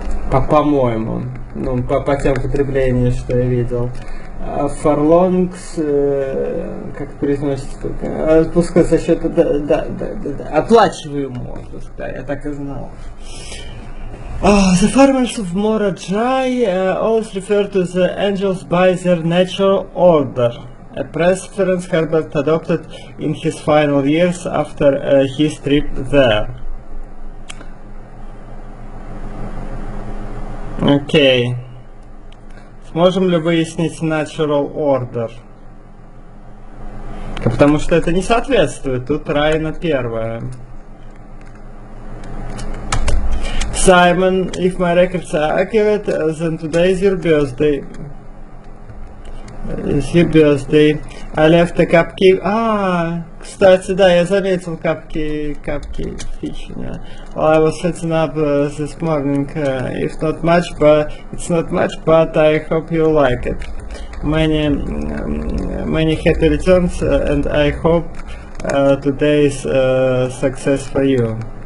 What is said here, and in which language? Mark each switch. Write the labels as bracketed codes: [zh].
[ru] По-моему, ну, по тем употреблениям, что я видел. Фарлонгс, как произносится, отпуска за счет, да, оплачиваемого отпуска, я так и знал. [en] The farmers of Morajai always refer to the angels by their natural order, a preference Herbert adopted in his final years after his trip there. [ru] Okay. Можем ли выяснить [en] natural order? [ru] Потому что это не соответствует. Тут Райна первая. [en] Simon, if my records are accurate, then today is your birthday. It's your birthday. I left a cupcake. [ru] Кстати, да, я заметил капки фичня. [en] Well, I was setting up this morning. If not much, but it's not much, but I hope you like it. Many happy returns, and I hope today's success for you.